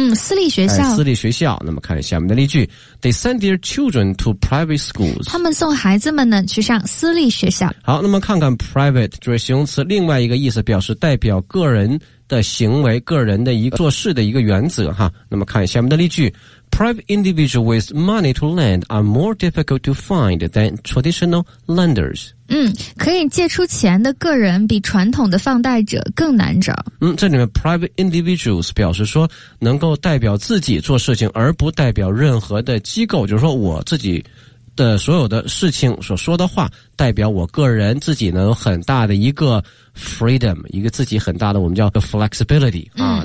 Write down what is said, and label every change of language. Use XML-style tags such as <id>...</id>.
<zh>私立学校、私立学校。那么看下面的例句</zh> <en>，They send their children to private schools，</en> <zh>他们送孩子们呢去上私立学校。好，那么看看 private 作为形容词，另外一个意思表示代表个人的行为、个人的一个做事的一个原则哈。那么看下面的例句</zh> <en>，Private individuals with money to lend are more difficult to find than traditional lenders。</en> <zh>可以借出钱的个人比传统的放贷者更难找。这里面 private individuals 表示说能够代表自己做事情，而不代表任何的机构，就是说我自己的所有的事情所说的话代表我个人自己呢有很大的一个 freedom， 一个自己很大的我们叫 flexibility 啊。</zh>